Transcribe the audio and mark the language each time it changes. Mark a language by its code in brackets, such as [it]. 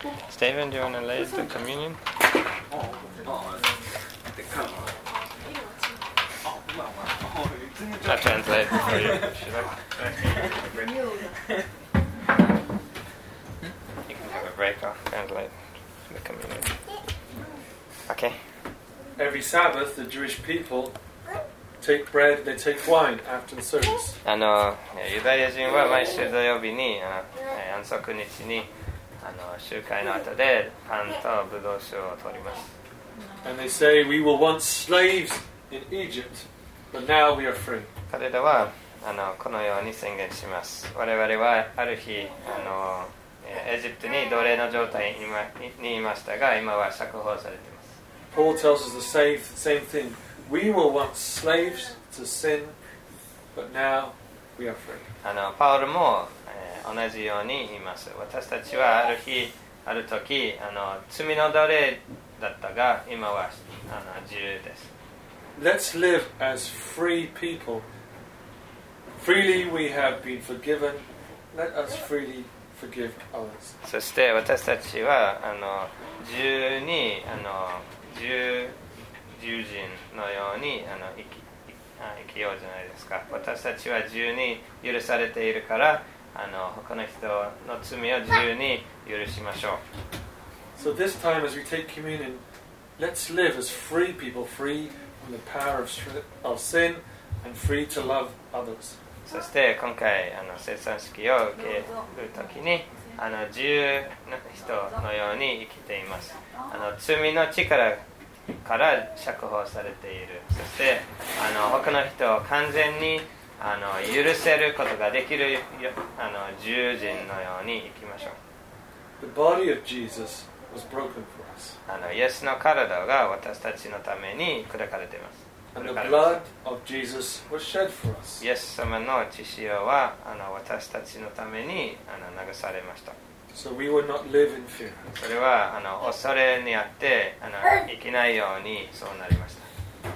[en] Stephen, do you want to lay the communion? I'll translate for you. Should I? You can have a break off, translate for the communion. Okay. Every Sabbath, the Jewish people take bread, they take wine after the service. [ja] あの、ユダヤ人は毎週土曜日に、安息日に、あの、集会の後でパンとブドウ酒を取ります。 [en] And they say, we were once slaves in Egypt, but now we are free. [ja] 彼らは、あの、このように宣言します。我々はある日、あの、エジプトに奴隷の状態にいましたが、今は釈放されています。 [en] Paul tells us the same thing. We were once slaves to sin, but now we are free. [ja] あの、パウルも、同じように言います。私たちはある日、ある時、あの、罪の奴隷だったが、今は、あの、自由です。 [en] Let's live as free people. Freely we have been forgiven. Let us freely forgive others. [ja] そして私たちは、あの、自由に、あの、獣人のように、あの、生きようじゃないですか。私たちは自由に許されているから、あの、他の人の罪を自由に許しましょう。 [en] So this time as we take communion, let's live as free people, free from the power of sin and free to love others. [ja] そして今回、あの、聖餐式を受ける時に、あの、自由な人のように生きています。あの、罪の力から釈放されている。そして、あの、他の人を完全に、あの、許せることができる、あの、獣人のように生きましょう。 [en] The body of Jesus was broken for us. [ja] あの、イエスの体が私たちのために砕かれています。 [en] And the blood of Jesus was shed for us. [ja] イエス様の血潮は、あの、私たちのために、あの、流されました。 [en] So we would not live in fear. [ja] それは、あの、恐れにあって、あの、生きないようにそうなりました。